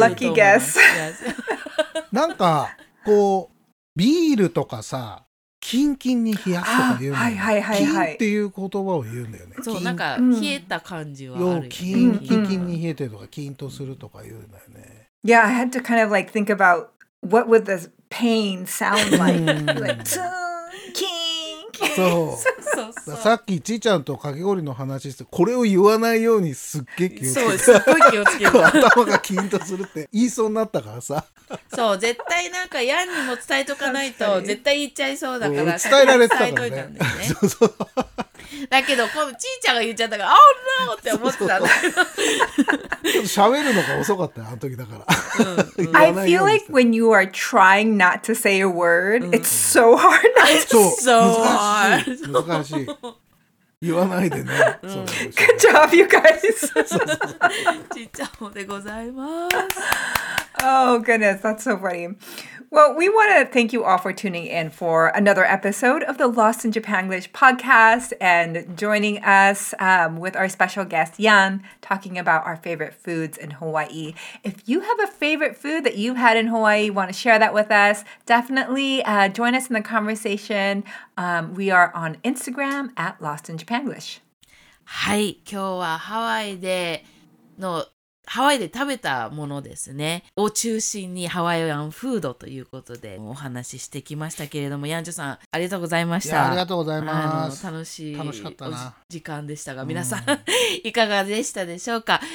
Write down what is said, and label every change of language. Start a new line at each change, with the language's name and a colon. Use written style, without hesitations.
Japanese: ラッキーゲス。なんかこうビールとかさ、キンキンに冷やすとか言うの、はいはいはいはい、キーンっていう言葉を言うんだよね。そう、なんか冷えた感じはあるよ、ね、キーン、キンキンに冷えてるとか、キーンとするとか言うんだよね。
English: Yeah, I had to kind of like think about what would the pain sound like.
Japanese: Like ツーン、キーン。そうそう、さっきちーちゃんとかき氷の話して、これを言わないようにすっげえ気をつけた。そう、すっごい気をつけた。頭がキンとするって言いそうになったからさ。そう、絶対なんかヤンにも伝えとかないと絶対言っちゃいそうだから。伝えられてたからね。だけど今度ちーちゃんが言っちゃったから、あ、オノって思ってたんだけど、ちょっと喋るのが遅かったよ、あの時だから。
English: うん、うん、I feel like when you are trying not to say a word、うん、it's so hard not to say. It's so
Japanese: hard. 難しい。言わないでね。
English: Good job, you guys.
Japanese: ちーちゃんもでございます。
English: Oh goodness, that's so funny. Well, we want to thank you all for tuning in for another episode of the Lost in Japanglish podcast and joining us with our special guest, Yan, talking about our favorite foods in Hawaii. If you have a favorite food that you've had in Hawaii, want to share that with us, definitely join us in the conversation. We are on Instagram at Lost in Japanglish.
Japanese: はい、今日はハワイでのハワイで食べたものですねを中心にハワイアンフードということでお話ししてきましたけれども、ヤンジョさんありがとうございました。いや、ありがとうございます。楽しい時間でしたが、皆さん、うん、いかがでしたでしょうか。